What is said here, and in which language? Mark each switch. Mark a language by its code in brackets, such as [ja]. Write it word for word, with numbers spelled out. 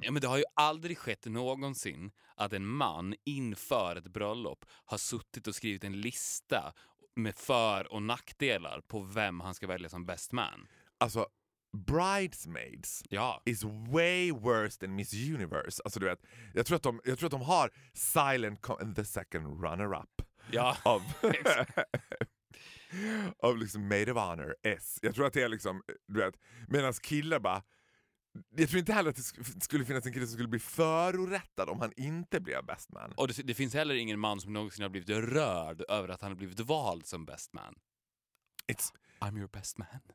[sv] Ja, men det har ju aldrig skett någonsin att en man inför ett bröllop har suttit och skrivit en lista med för- och nackdelar på vem han ska välja som best man. Alltså, bridesmaids ja. [en] is way worse than Miss Universe. [sv] Alltså du vet, jag tror att de, jag tror att de har silent com- [en] the second runner-up. [sv] Ja, av, av liksom [en] maid of honor S. [sv] Jag tror att det är liksom, du vet, medan killar bara... Jag tror inte heller att det skulle finnas en kille som skulle bli förorättad om han inte blev best man. Och det, det finns heller ingen man som någonsin har blivit rörd över att han har blivit vald som best man. [en] It's... I'm your best man.